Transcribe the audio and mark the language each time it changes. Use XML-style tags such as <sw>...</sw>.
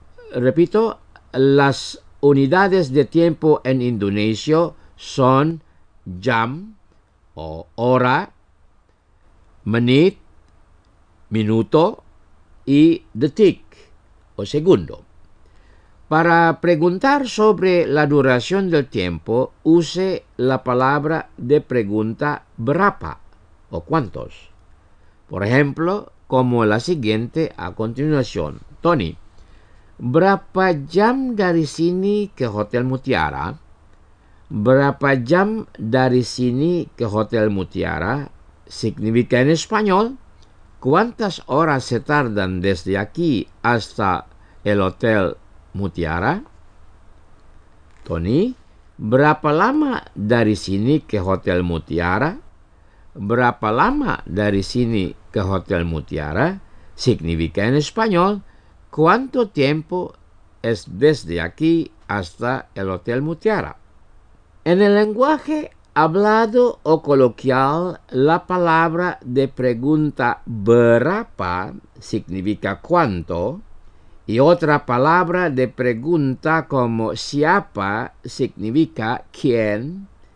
<es>Repito, las unidades de tiempo en indonesio son jam o hora, menit, minuto y detik o segundo. Para preguntar sobre la duración del tiempo, use la palabra de pregunta berapa o cuántos. Por ejemplo, como la siguiente a continuación.</es> <id>Tony, ¿berapa jam dari sini ke Hotel Mutiara? ¿Berapa jam dari sini ke Hotel Mutiara?</id> <es>Significa en español, ¿cuántas horas se tardan desde aquí hasta el Hotel Mutiara?</es> <id>Tony, ¿berapa lama dari sini ke Hotel Mutiara? ¿Berapa lama dari sini ke Hotel Mutiara?</id> <es>Significa en español, ¿cuánto tiempo es desde aquí hasta el Hotel Mutiara? En el lenguaje hablado o coloquial, la palabra de pregunta berapa significa cuánto, y otra palabra de pregunta como siapa significa quién.</es>